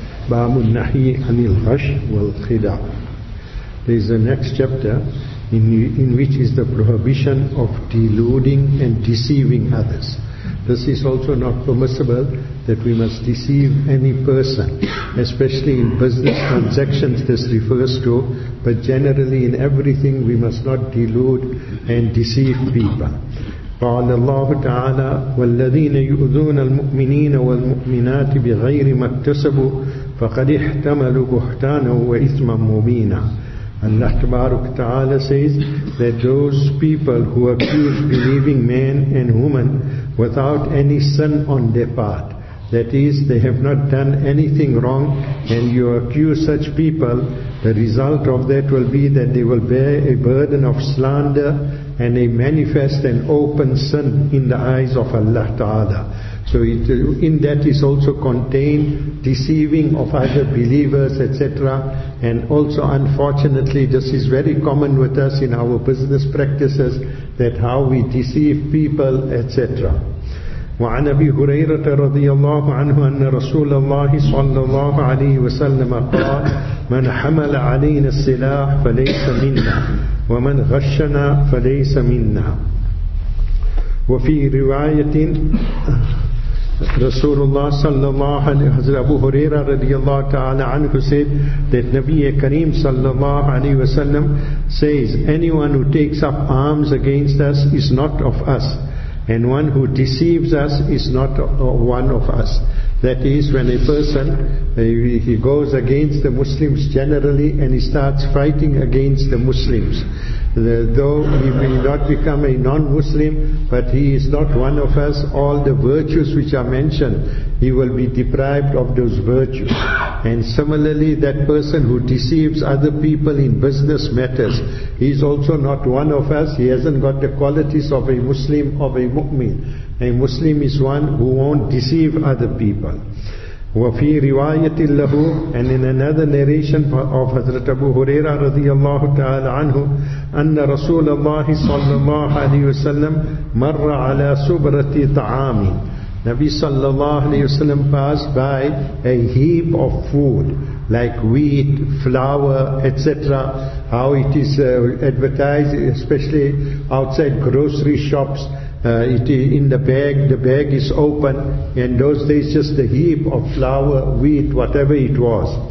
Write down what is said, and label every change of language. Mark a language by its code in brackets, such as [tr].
[ar] باب النهي عن الغش والخداع. [en] There is the next chapter in which is the prohibition of deluding and deceiving others. This is also not permissible that we must deceive any person, especially in business transactions this refers to, but generally in everything we must not delude and deceive people. [ar] قال الله تعالى والذين يؤذون المؤمنين والمؤمنات بغير ما اكتسبوا فقد احتملوا بهتانا وإثما مبينا. [en] Allah Tabaruk Ta'ala says that those people who accuse believing men and women without any sin on their part, that is, they have not done anything wrong, and you accuse such people, the result of that will be that they will bear a burden of slander and a manifest and open sin in the eyes of Allah Ta'ala. So it, in that is also contained deceiving of other believers, etc. And also, unfortunately, this is very common with us in our business practices, that how we deceive people, etc. [ar] وعن أبي هريرة رضي الله عنه أن رسول الله صلى الله عليه وسلم قال من حمل علينا السلاح فليس منا ومن غشنا فليس منا. وفي رواية رسول الله صلى الله عليه وسلم أبو هريرة رضي الله تعالى عنه [en] said that [ar] نبي كريم صلى الله عليه وسلم [en] says anyone who takes up arms against us is not of us, and one who deceives us is not one of us. That is, when a person, he goes against the Muslims generally and he starts fighting against the Muslims. Though he may not become a non-Muslim, but he is not one of us, all the virtues which are mentioned, he will be deprived of those virtues. And similarly, that person who deceives other people in business matters, he is also not one of us, he hasn't got the qualities of a Muslim, of a mu'min. A Muslim is one who won't deceive other people. [ar] وفي رواية له, [en] and in another narration of Hazrat Abu Huraira [ar] رضي الله تعالى عنه, أن رسول الله صلى الله عليه وسلم مر على سبرة طعام. [en] Nabi [ar] صلى الله عليه وسلم [en] passed by a heap of food like wheat, flour, etc. How it is advertised, especially outside grocery shops. The bag is open, and those days just a heap of flour, wheat, whatever it was.